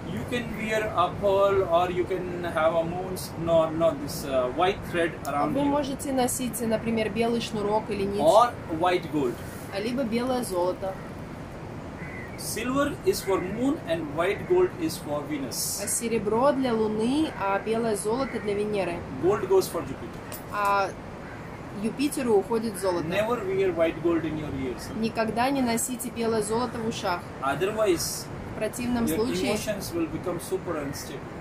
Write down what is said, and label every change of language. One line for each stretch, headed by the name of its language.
English: You can wear a pearl or you can have a moon's not this white thread around.
Russian: Вы можете носить, например, белый шнурок или нить.
English: Or white gold.
Russian: А либо белое золото.
English: Silver is for moon and white gold is for Venus.
Russian: А серебро для Луны, а белое золото для Венеры.
English: Gold goes for Jupiter.
Russian: А Юпитеру уходит золото.
English: Never wear white gold in your ears.
Russian: Никогда не носите белое золото в ушах.
English: Otherwise,
Russian: в противном случае,
English: your emotions will become super unstable.